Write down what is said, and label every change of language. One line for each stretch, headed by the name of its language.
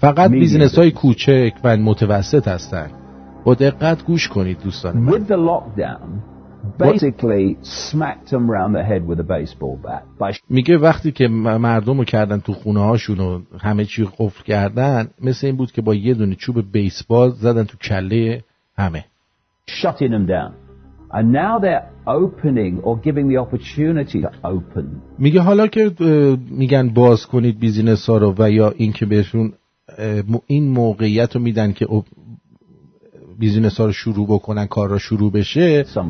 Persian: فقط بیزنس‌های کوچک و متوسط هستن. با دقت گوش کنید دوستان.
English: With the lockdown basically smacked them around the head with a baseball bat.
Persian: میگه وقتی که مردم رو کردن تو خونه هاشون و همه چی قفل کردن، مثل این بود که با یه دونه چوب بیسبال زدن تو کله همه.
English: Shutting them down. And now they're opening or giving the opportunity to open.
Persian: میگه حالا که میگن باز کنید بیزینس ها رو و یا اینکه بهشون این موقعیت رو میدن که بیزینس ها رو شروع بکنن، کار رو شروع بشه.